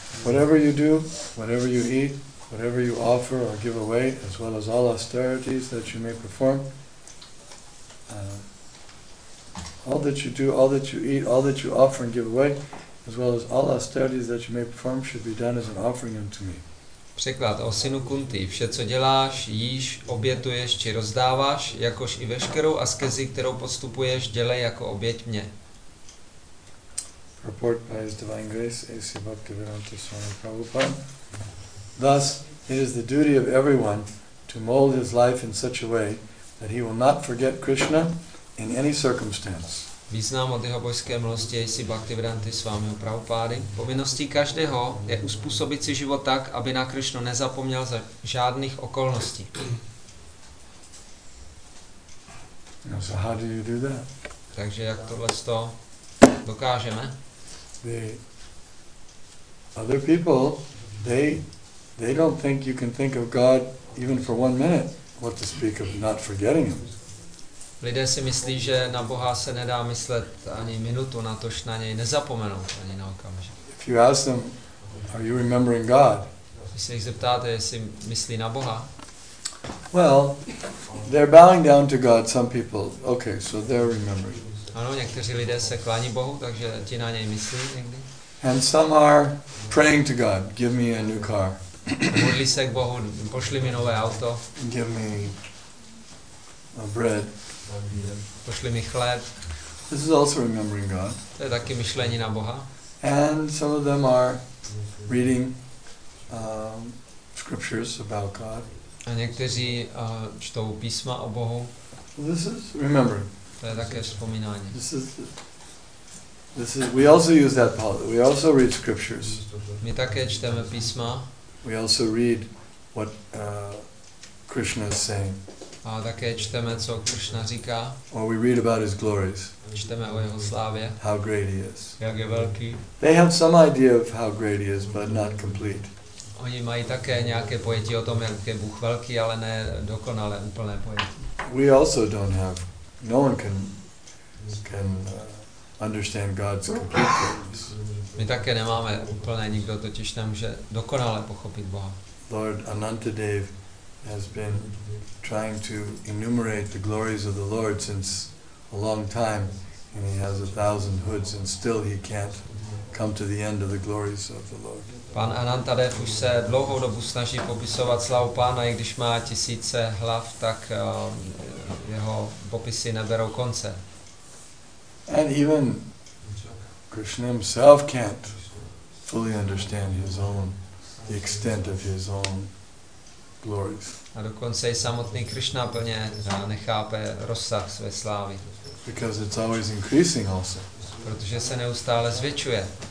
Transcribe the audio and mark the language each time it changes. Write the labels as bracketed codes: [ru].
[en] Whatever you do, whatever you eat, whatever you offer or give away, as well as all austerities that you may perform, all that you do, all that you eat, all that you offer and give away, as well as all austerities that you may perform, should be done as an offering unto me. [cs] Překlad, o synu Kunti, vše, co děláš, jíš, obětuješ či rozdáváš, jakož i veškerou askezi, kterou postupuješ, dělej jako oběť mě. [en] Purport by His Divine Grace, A.C. Bhaktivedanta Swami Prabhupada. Thus, it is the duty of everyone to mold his life in such a way that he will not forget Krishna in any circumstance. [cs] Význam od jeho božské milosti je si Bhaktivedanta Swami Prabhupada. Povinností každého je uspůsobit si život tak, aby na Krishnu nezapomněl za žádných okolností. [en] So how do you do that? [cs] Takže jak tohle to dokážeme? [en] The other people, they don't think you can think of God even for one minute, what to speak of not forgetting him. [cs] Lidé si myslí, že na Boha se nedá myslet ani minutu, natož na něj nezapomenout ani na okamžik. [en] If you ask them, are you remembering God? [cs] Když se jich zeptáte, jestli myslí na Boha? [en] Well, they're bowing down to God, some people. Okay, so they're remembering. [cs] Ano, někteří lidé se klání Bohu, takže ti na něj myslí někdy. [en] And some are praying to God, give me a new car. [cs] Modlí se k Bohu, pošli mi nové auto. [en] Give me a bread. [cs] Pošli mi chléb. [en] This is also remembering God. [cs] To je taky myšlení na Boha. [en] And some of them are reading scriptures about God. [cs] A někteří čtou písma o Bohu. [en] This is remembering. [cs] To je také vzpomínání. [en] This is. We also use that part. We also read scriptures. [cs] My také čteme písma. [en] We also read what Krishna is saying. [cs] A také čteme, co Krishna říká. [en] Or we read about his glories. [cs] Čteme o jeho slávě. [en] How great he is. [cs] Jak je velký. [en] They have some idea of how great he is, but not complete. [cs] Oni mají také nějaké pojetí o tom, jak je Bůh velký, ale ne dokonale úplné pojetí. [en] We also don't have. No one can understand God's complete greatness. [cs] My také nemáme úplně nikdo, totiž nemůže dokonale pochopit Boha. [en] Lord Anantadev has been trying to enumerate the glories of the Lord since a long time, and he has 1,000 hoods, and still he can't come to the end of the glories of the Lord. [cs] Pan Anantadev už se dlouhou dobu snaží popisovat slavu Pána, i když má tisíce hlav, tak jeho popisy neberou konce. [en] And even Krishna himself can't fully understand his own, the extent of his own glories. [cs] A dokonce i samotný Krishna plně nechápe rozsah své slávy. [en] Because it's always increasing also. [cs] Protože se neustále zvětšuje.